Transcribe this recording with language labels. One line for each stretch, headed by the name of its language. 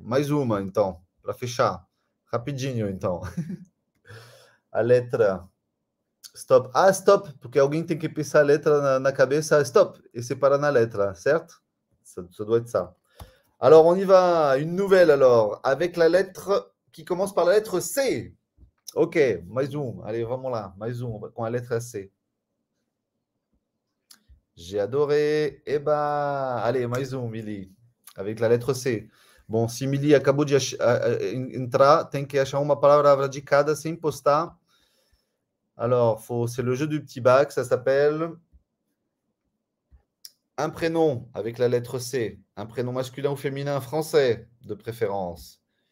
Portuguese: Mais uma então, para fechar. Rapidinho então. A letra. Stop. Ah, stop! Porque alguém tem que pensar a letra na cabeça.
French: Stop!
Portuguese: E separa na letra, certo?
French: Ça doit être ça. Alors, on y va. Une nouvelle, alors, avec la lettre qui commence par la lettre C. OK, mais une. Allez,
Portuguese: vamos là.
French: Mais une, avec la lettre C. J'ai adoré. Eh ben, allez, mais une, Milly. Avec la lettre C.
Portuguese: Bon, si Milly acabou de entrar, tem que achar uma palavra de cada sem postar.
French: Alors, c'est le jeu du petit bac, ça s'appelle. Un prénom avec la lettre C, un prénom masculin ou féminin français de préférence.